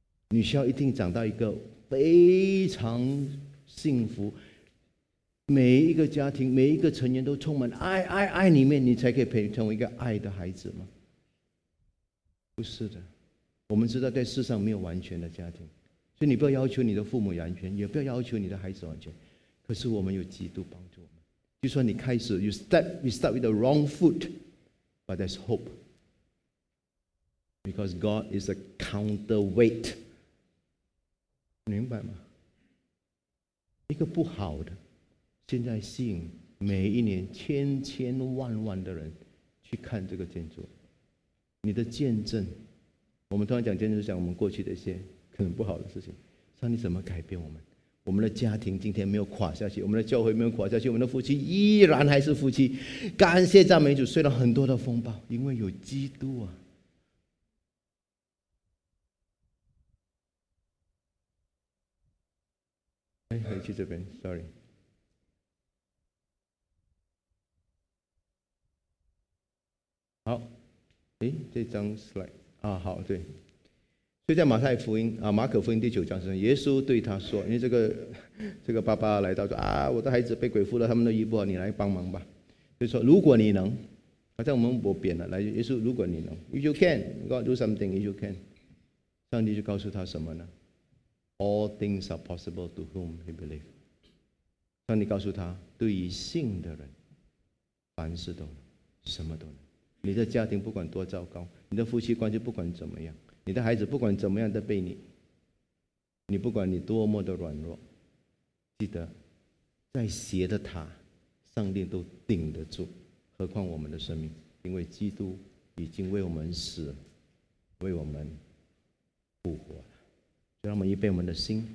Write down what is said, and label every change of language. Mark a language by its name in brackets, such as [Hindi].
[Chinese] 你需要一定长到一个非常幸福，每一个家庭每一个成员都充满爱爱爱里面，你才可以成为一个爱的孩子吗？不是的。我们知道在世上没有完全的家庭，所以你不要要求你的父母完全，也不要要求你的孩子完全，可是我们有基督帮助我们。就算你开始 [English] you start with the wrong foot， but there's hope， because God is a counterweight。 [Chinese] 明白吗？一个不好的现在吸引每一年千千万万的人去看这个建筑。你的见证，我们通常讲见证是讲我们过去的一些可能不好的事情，上帝怎么改变我们，我们的家庭今天没有垮下去，我们的教会没有垮下去，我们的夫妻依然还是夫妻，感谢赞美主，虽然很多的风暴，因为有基督啊。哎，回去这边 ，sorry。好，哎，这张 slide 啊，好，对。所以在马可福音第九章是，耶稣对他说，因为这个爸爸来到说啊，我的孩子被鬼附了，他们都医不好，你来帮忙吧。所以说，如果你能，好像我扁了，来，耶稣，如果你能 [English] ，if you can， God do something， if you can， [Chinese] 上帝就告诉他什么呢？ [English] All things are possible to whom he believes. [Chinese] 上帝告诉他，对于信的人，凡事都能，什么都能。你的家庭不管多糟糕，你的夫妻关系不管怎么样，你的孩子不管怎么样的背你，你不管你多么的软弱，记得在斜的塔上帝都顶得住，何况我们的生命，因为基督已经为我们死，为我们复活了。就让我们预备我们的心。